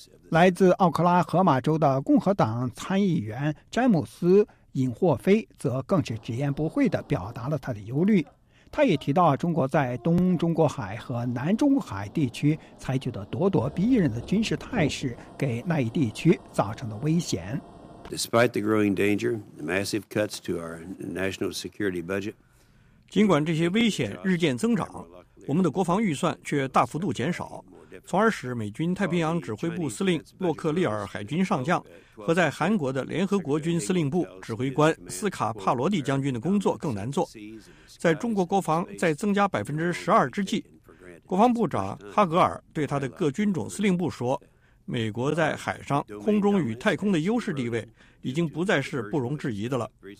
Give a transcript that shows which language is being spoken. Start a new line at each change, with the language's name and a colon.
Chinese: 来自奥克拉荷马州的共和党参议员詹姆斯·尹霍菲则更是直言不讳地表达了他的忧虑。他也提到中国在东中国海和南中国海地区采取的咄咄逼人的军事态势给那一地区造成的危险。
English: Despite the growing danger, the massive cuts to our national security budget.
Chinese: 尽管这些危险日渐增长，我们的国防预算却大幅度减少，从而使美军太平洋指挥部司令洛克利尔海军上将和在韩国的联合国军司令部指挥官斯卡帕罗蒂将军的工作更难做。在中国国防再增加12%之际，国防部长哈格尔对他的各军种司令部说，美国在海上、空中与太空的优势地位已经不再是不容置疑的了。